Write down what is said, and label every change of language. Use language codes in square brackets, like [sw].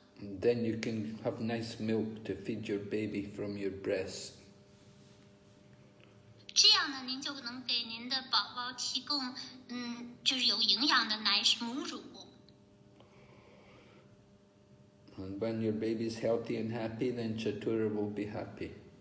[en] Then you can have nice milk to feed your baby from your breast. [zh] 这样呢，您就能给您的宝宝提供，就是有营养的奶，母乳。 [en] And when your baby is healthy and happy, then Chatura will be happy.